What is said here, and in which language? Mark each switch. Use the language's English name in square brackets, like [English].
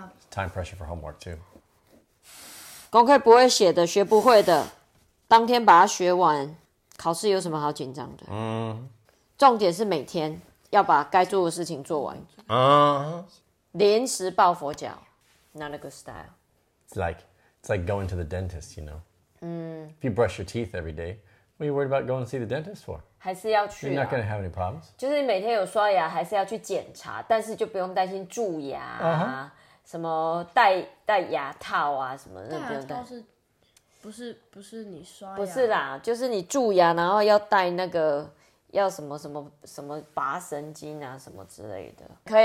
[English] Time pressure for homework too。 [Chinese] 功课不会写的，学不会的。当天把它学完，考试有什么好紧张的？重点是每天要把该做的事情做完。临时抱佛脚， [English] not a good style。 It's like going to the dentist, you know. If you brush your teeth every day, what are you worried about going to see the dentist for? [Chinese] 还是要去 [English] You're not going to have any problems. [Chinese] 就是每天有刷牙，还是要去检查，但是就不用担心蛀牙啊，什么戴牙套啊什么的，不用戴牙套戴。是。不是你刷不牙，是啦，就是你蛀牙，然后要戴那个要什么什么什么拔神经啊什么之类的。